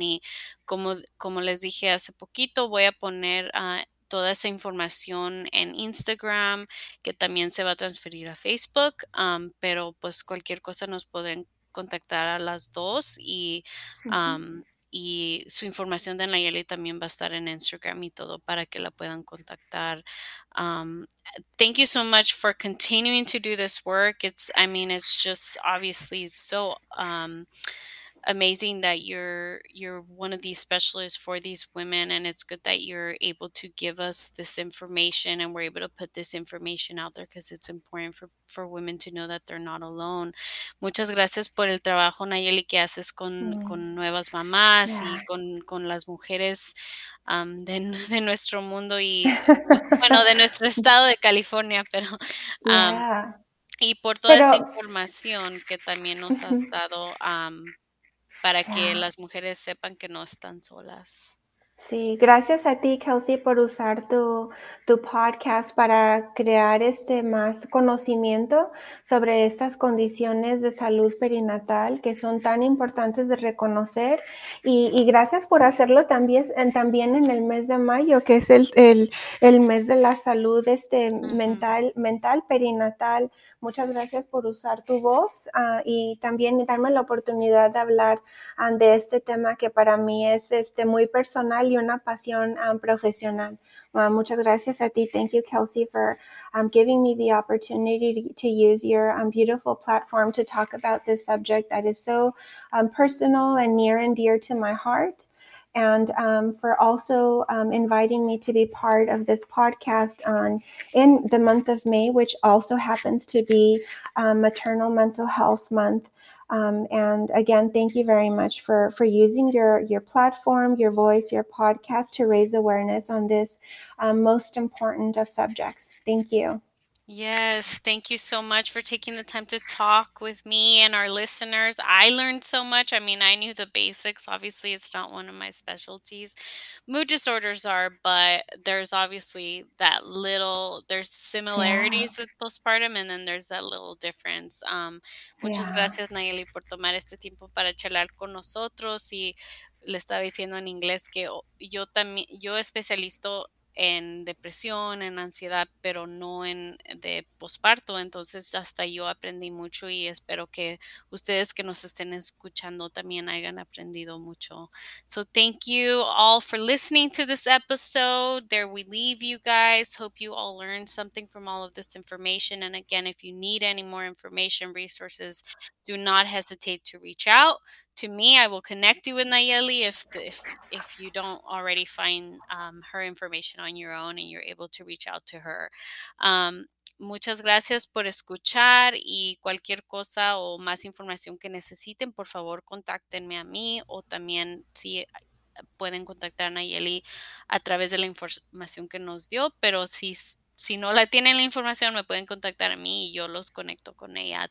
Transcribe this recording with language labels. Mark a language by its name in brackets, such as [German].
[Spanish] Y como les dije hace poquito, voy a poner toda esa información en Instagram, que también se va a transferir a Facebook, pero pues cualquier cosa nos pueden contactar a las dos y, y su información de Nayeli también va a estar en Instagram y todo para que la puedan contactar. [English] Thank you so much for continuing to do this work. It's just obviously so amazing that you're one of these specialists for these women, and it's good that you're able to give us this information and we're able to put this information out there because it's important for women to know that they're not alone. [Spanish] Muchas gracias por el trabajo, Nayeli, que haces con nuevas mamás y con las mujeres de nuestro mundo y bueno, de nuestro estado de California, pero y por toda esta información que también nos has dado para que las mujeres sepan que no están solas. Sí, gracias a ti, Kelsey, por usar tu podcast para crear más conocimiento sobre estas condiciones de salud perinatal que son tan importantes de reconocer. Y gracias por hacerlo también en el mes de mayo, que es el mes de la salud mental perinatal. Muchas gracias por usar tu voz y también darme la oportunidad de hablar de este tema que para mí es muy personal y una pasión profesional. Muchas gracias a ti. [English] Thank you, Kelsey, for giving me the opportunity to use your beautiful platform to talk about this subject that is so personal and near and dear to my heart. And for also inviting me to be part of this podcast in the month of May, which also happens to be Maternal Mental Health Month. And again, thank you very much for using your platform, your voice, your podcast to raise awareness on this most important of subjects. Thank you. Yes, thank you so much for taking the time to talk with me and our listeners. I learned so much. I mean, I knew the basics. Obviously, it's not one of my specialties. Mood disorders are, but there's obviously that little, there's similarities with postpartum, and then there's that little difference. [Spanish] Muchas gracias, Nayeli, por tomar este tiempo para charlar con nosotros. Y le estaba diciendo en inglés que yo especializo en depresión, en ansiedad, pero no en de posparto. Entonces hasta yo aprendí mucho y espero que ustedes que nos estén escuchando también hayan aprendido mucho. [English] So thank you all for listening to this episode. There we leave you guys. Hope you all learned something from all of this information. And again, if you need any more information, resources, do not hesitate to reach out to me. I will connect you with Nayeli if you don't already find her information on your own and you're able to reach out to her. [Spanish] Muchas gracias por escuchar y cualquier cosa o más información que necesiten, por favor, contáctenme a mí o también si pueden contactar a Nayeli a través de la información que nos dio, pero si no la tienen la información, me pueden contactar a mí y yo los conecto con ella.